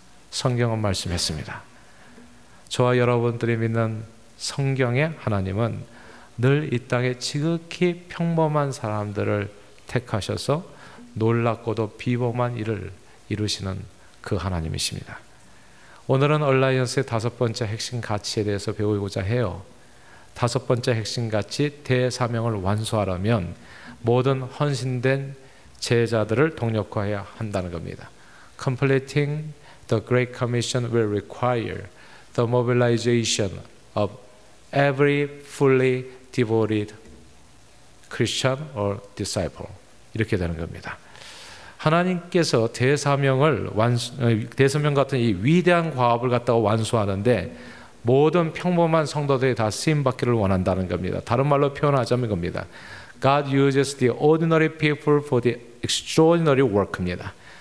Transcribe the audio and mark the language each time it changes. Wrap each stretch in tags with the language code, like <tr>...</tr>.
<ko>성경은 말씀했습니다. 저와 여러분들이 믿는 성경의 하나님은 늘 이 땅에 지극히 평범한 사람들을 택하셔서 놀랍고도 비범한 일을 이루시는 그 하나님이십니다. 오늘은 얼라이언스의 다섯 번째 핵심 가치에 대해서 배우고자 해요. 다섯 번째 핵심 가치, 대사명을 완수하려면 모든 헌신된 제자들을 동역화해야 한다는 겁니다.</ko> <en>Completing the Great Commission will require the mobilization of every fully devoted Christian or disciple.</en> <ko>이렇게 되는 겁니다. 하나님께서 대사명을 대사명 같은 이 위대한 과업을 갖다가 완수하는데 모든 평범한 성도들이 다 쓰임 받기를 원한다는 겁니다. 다른 말로 표현하자면 겁니다.</ko> <en>God uses the ordinary people for the extraordinary work</en> <ko>입니다.</ko>